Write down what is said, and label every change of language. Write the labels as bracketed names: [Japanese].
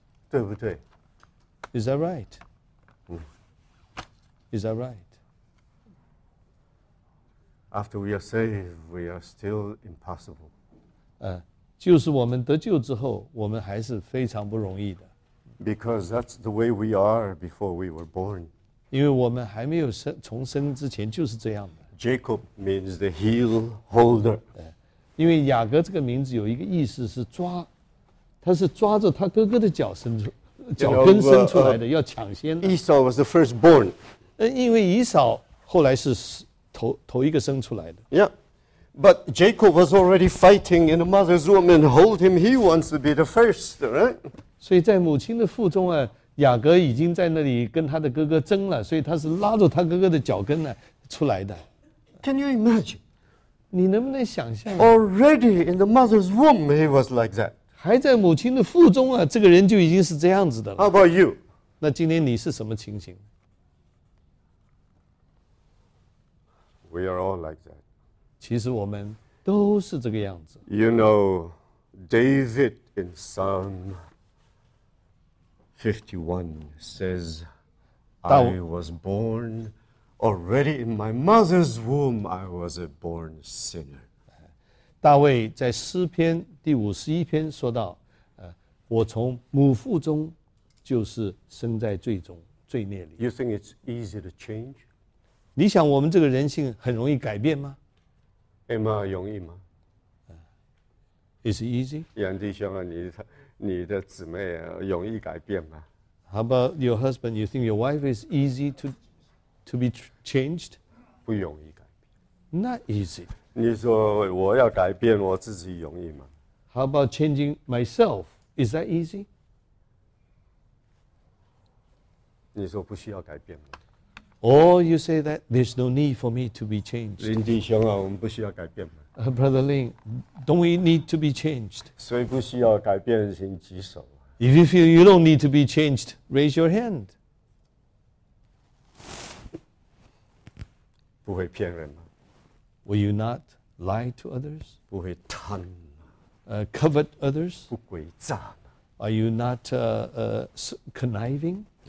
[Chinese] 对不对 [English] Is that right? Is that right? After we are saved, we are still impossible. [Chinese] 就是我们得救之后，我们还是非常不容易的。 [English] Because that's the way we are before we were born. [Chinese] 因为我们还没有重生之前就是这样的。 [English] Jacob means the heel holder. [Chinese] 因为雅各这个名字有一个意思是抓，他是抓着他哥哥的脚伸出，脚跟伸出来的，要抢先。 [English] Esau was the firstborn. [Chinese] 因为以扫后来是头一个生出来的。 [English] Yeah. But Jacob was already fighting in the mother's womb and hold him. He wants to be the first, right? [Chinese] 所以在母亲的腹中啊，雅各已经在那里跟他的哥哥争了，所以他是拉着他哥哥的脚跟呢、啊、出来的。 [English] Can you imagine? [Chinese] 你能不能想象 [English] ？Already in the mother's womb, he was like that. [Chinese] 还在母亲的腹中啊，这个人就已经是这样子的了。 [English] How about you? [Chinese] 那今天你是什么情形 [English] ？We are all like that. [Chinese] 其实我们都是这个样子。 [English] You know, David in Psalm 51 says, I was born already in my mother's womb, I was a born sinner. [Chinese] 大卫在诗篇第五十一篇说到，我从母腹中就是生在罪中，罪孽里。 [English] You think it's easy to change? [Chinese] 你想我们这个人性很容易改变吗？ Emma, 容易吗 [English] Is it easy? [Chinese] 杨弟兄啊，你的姊妹啊，容易改变吗 [English] How about your husband? You think your wife is easy to be changed? [Chinese] 不容易改变 [English] Not easy. [Chinese] 你说我要改变我自己容易吗 [English] How about changing myself? Is that easy? [Chinese] 你说不需要改变吗 [English] Or you say that there's no need for me to be changed. [Chinese] 林弟兄啊，我们不需要改变吗 [English] Brother Lin, don't we need to be changed? [Chinese] 所以不需要改变，请举手。 [English] If you feel you don't need to be changed, raise your hand. [Chinese] 不会骗人吗 [English] Will you not lie to others? [Chinese] 不会贪吗 [English] covet others? [Chinese] 不诡诈? [English] Are you not conniving?